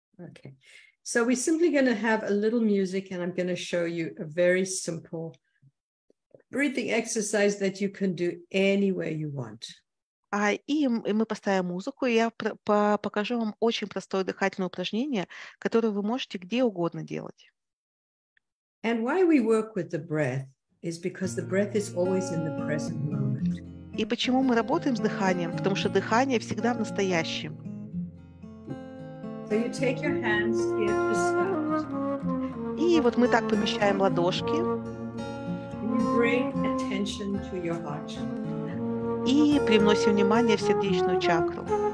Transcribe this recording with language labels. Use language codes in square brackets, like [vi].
[en] Okay, so we're simply going to have a little music and I'm going to show you a very simple breathing exercise that you can do anywhere you want. [ru] И мы поставим музыку, и я покажу вам очень простое дыхательное упражнение, которое вы можете где угодно делать. [en] And why we work with the breath is because the breath is always in the present moment. [ru] И почему мы работаем с дыханием? Потому что дыхание всегда в настоящем. [en] So you take your hands here to start. [ru] И вот мы так помещаем ладошки. [en] And you bring attention to your heart chakra. [ru] И привносим внимание в сердечную чакру.